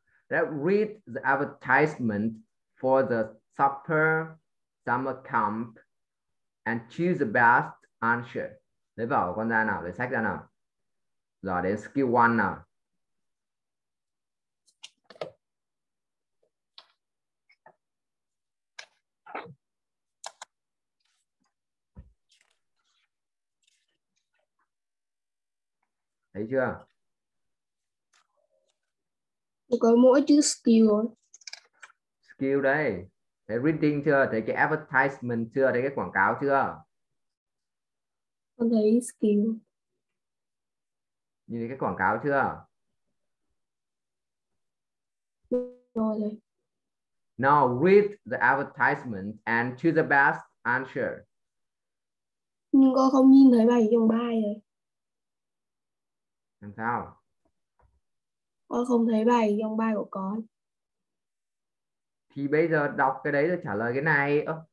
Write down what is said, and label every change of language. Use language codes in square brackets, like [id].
[en] Let's read the advertisement for the supper summer camp and choose the best answer. [vi] Lấy vở con ra nào, lấy sách ra nào. Giờ đến [en] skill one [vi] nào. Thấy chưa? Có mỗi chữ skill Skill đây. Thấy reading chưa? Thấy cái advertisement chưa? Thấy cái quảng cáo chưa? con thấy skill Nhìn thấy cái quảng cáo chưa? rồi đây. [en] Now read the advertisement and choose the best answer. [vi] Nhưng con không nhìn thấy bài trong bài rồi. Làm sao? Con không thấy bài trong bài của con. Thì bây giờ đọc cái đấy rồi trả lời cái này.